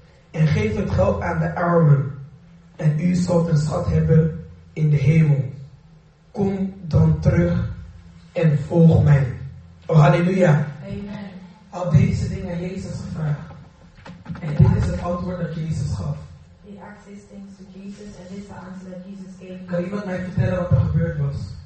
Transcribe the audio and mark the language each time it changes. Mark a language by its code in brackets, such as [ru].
[nl] En geef het geld aan de armen en u zult een schat hebben in de hemel. Kom dan terug en volg mij. Oh, halleluja. Amen. Al deze dingen aan Jezus gevraagd. En dit is het antwoord dat Jezus gaf. [en] He asked these things to Jesus, and this is the answer that Jesus gave. [nl] Kan iemand mij vertellen wat er gebeurd was?